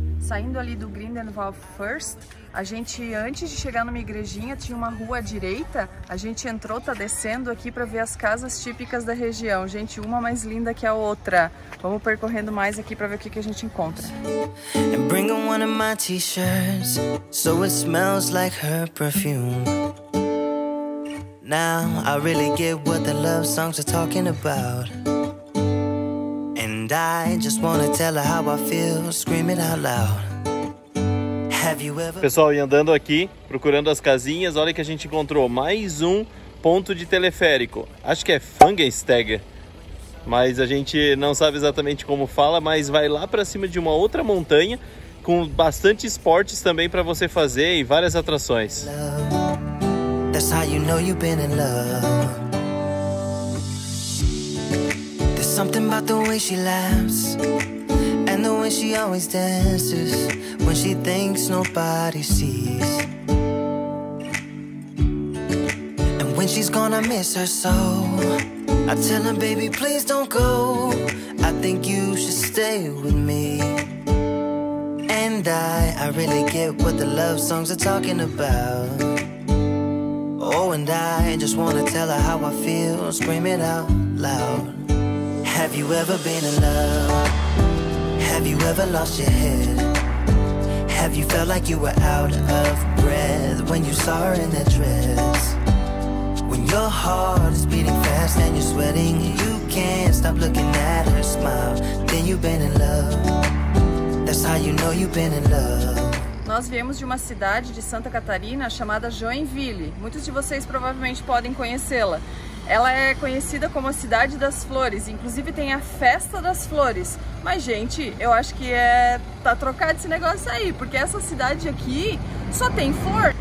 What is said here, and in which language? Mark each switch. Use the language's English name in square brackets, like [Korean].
[Portuguese] saindo ali do Grindelwald First, a gente, antes de chegar numa igrejinha, tinha uma rua à direita. A gente entrou, tá descendo aqui para ver as casas típicas da região. Gente, uma mais linda que a outra. Vamos percorrendo mais aqui para ver o que, que a gente encontra. [English] And bring one of my t-shirts, so it smells like her perfume. Now I really get what the love songs are talking about. And I just wanna tell her how I feel, scream it out loud. [Portuguese] Pessoal, e andando aqui, procurando as casinhas, olha que a gente encontrou mais um ponto de teleférico. Acho que é Fangensteg, mas a gente não sabe exatamente como fala, mas vai lá para cima de uma outra montanha, com bastante esportes também para você fazer e várias atrações. [English] That's how you know you've been in love. There's something about the way she laughs. And the way she always dances when she thinks nobody sees. And when she's gonna miss her soul, I tell her, baby, please don't go. I think you should stay with me. And I really get what the love songs are talking about. Oh, and I just wanna tell her how I feel, scream it out loud. Have you ever been in love? Have you ever lost your head? Have you felt like you were out of breath when you saw her in that dress? When your heart is beating fast and you're sweating, you can't stop looking at her smile. Then you've been in love. That's how you know you've been in love. [Portuguese] Nós viemos de uma cidade de Santa Catarina chamada Joinville. Muitos de vocês provavelmente podem conhecê-la. Ela é conhecida como a Cidade das Flores, inclusive tem a Festa das Flores. Mas, gente, eu acho que tá trocado esse negócio aí, porque essa cidade aqui só tem flor.